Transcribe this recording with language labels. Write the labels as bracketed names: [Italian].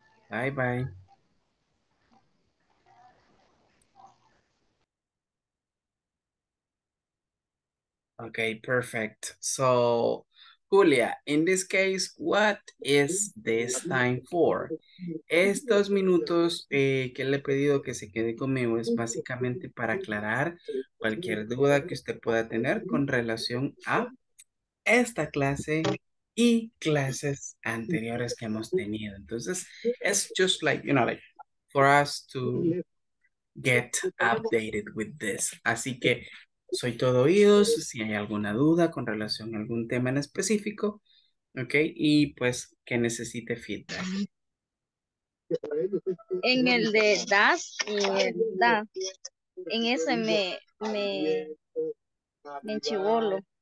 [English] Bye-bye. Okay, perfect. So, Julia, in this case, what is this time for? [Spanish] Estos minutos que le he pedido que se quede conmigo es básicamente para aclarar cualquier duda que usted pueda tener con relación a esta clase y clases anteriores que hemos tenido. Entonces, [English] it's just like, you know, like for us to get updated with this. [Spanish] Así que, soy todo oídos, si hay alguna duda con relación a algún tema en específico, ¿ok? Y pues, que necesite feedback. En el de das y el da, en ese me enchivolo.